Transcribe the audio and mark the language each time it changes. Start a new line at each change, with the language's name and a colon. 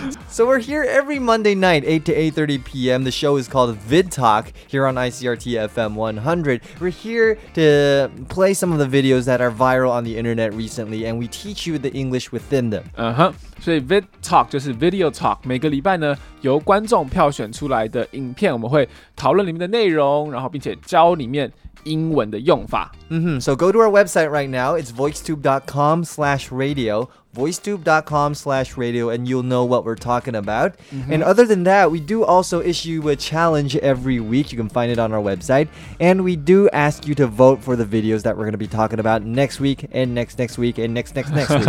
English: So we're here every Monday night, 8 to 8:30 p.m. The show is called Vid Talk here on ICRT FM 100. We're here to play some of the videos that are viral on the internet recently, and we teach you the English within them. Uh-huh. So Vid Talk
Chinese: 就是
English: Video Talk.
Chinese: 每个礼拜呢，由观众票选出来的影片，我们会讨论里面的内容，然后并且教里面英文的用法。
English: Mm-hmm. So go to our website right now. It's voicetube.com/radio. voicetube.com/radio, and you'll know what we're talking about. Mm-hmm. And other than that, we do also issue a challenge every week. You can find it on our website. And we do ask you to vote for the videos that we're going to be talking about next week and next week and next week.